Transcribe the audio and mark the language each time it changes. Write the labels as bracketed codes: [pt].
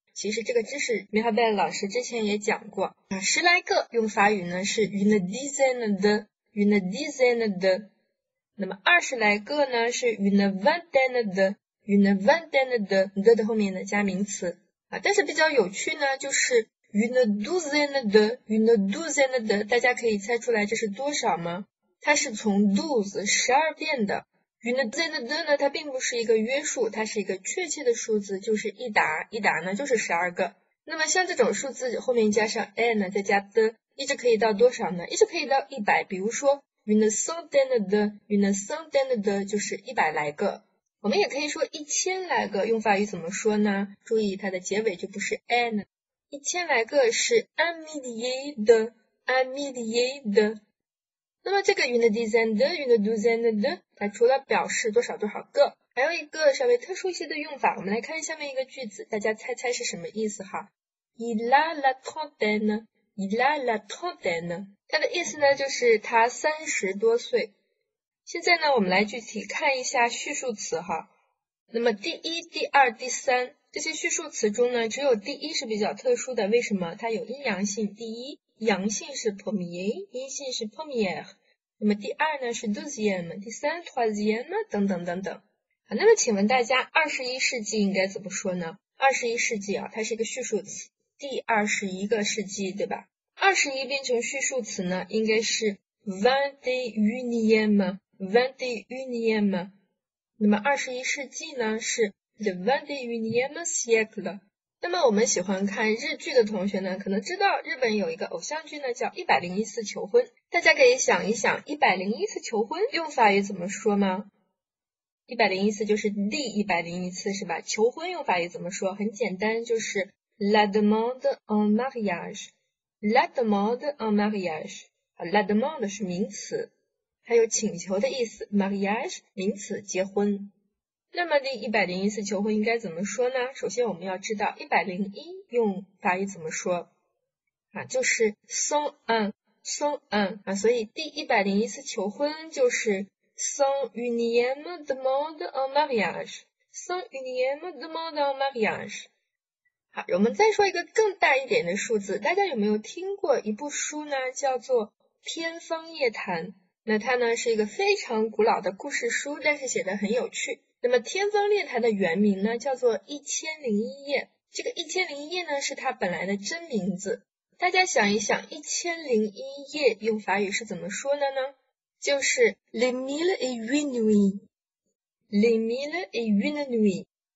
[zh] 其实这个知识，米哈贝老师之前也讲过啊，十来个用法语呢是 [fr] une dizaine de， une dizaine de， [zh] 那么二十来个呢是 [fr] une vingtaine de， une vingtaine de， [zh] 后面呢加名词啊，但是比较有趣呢就是 [fr] une douzaine de， une douzaine de， [zh] 大家可以猜出来这是多少吗？它是从 douze 十二变的， [fr] une dizaine de [zh] 呢，它并不是一个约束，它是一个确切的数字，就是一沓，一沓呢就是十二个。那么像这种数字后面加上 a 呢，再加 [fr] de， [zh] 一直可以到多少呢？一直可以到一百。比如说 [fr] une centaine de，une centaine de [zh] 就是100来个。我们也可以说1000来个，用法语怎么说呢？注意它的结尾就不是 an，1000来个是 [fr] un millier de，un millier de。 [zh] 那么这个 [fr] une dizaine de, une douzaine de， [zh] 它除了表示多少多少个，还有一个稍微特殊一些的用法。我们来看下面一个句子，大家猜猜是什么意思哈？ [fr] Il a la trentaine, il a la trentaine。 [zh] 它的意思呢，就是他30多岁。现在呢，我们来具体看一下序数词哈。那么第一、第二、第三这些序数词中呢，只有第一是比较特殊的。为什么？它有阴阳性。第一，阳性是 [fr] premier， [zh] 阴性是 [fr] première。 [zh] 那么第二呢是 [fr] deuxième， [zh] 第三 [fr] troisième [zh] 等等等等。好，那么请问大家，二十一世纪应该怎么说呢？二十一世纪啊，它是一个序数词，第二十一个世纪，对吧？二十一变成序数词呢，应该是 [fr] vingt et unième。 [zh] 那么二十一世纪呢是 [fr] le vingt et unième siècle。 [zh] 那么我们喜欢看日剧的同学呢，可能知道日本有一个偶像剧呢叫《101次求婚》。大家可以想一想，《101次求婚》用法语怎么说吗？ 101次就是第101次是吧？求婚用法语怎么说？ [fr] 很简单，就是 la demande en mariage，la demande en mariage。 la demande [zh] 是名词，还有请求的意思，mariage 名词结婚。那么第101次求婚应该怎么说呢？首先我们要知道101用法语怎么说啊，就是 101啊，所以第101次求婚就是 [fr] 101ème demande en mariage，101ème demande en mariage。 [zh] 好，我们再说一个更大一点的数字，大家有没有听过一部书呢？叫做《天方夜谭》，那它呢是一个非常古老的故事书，但是写得很有趣。那么《天方夜谭》的原名呢，叫做《一千零一夜》。这个《一千零一夜》呢，是它本来的真名字。大家想一想，《一千零一夜》用法语是怎么说的呢？ [fr] 就是 Les mille et une nuits，Les mille et une nuits。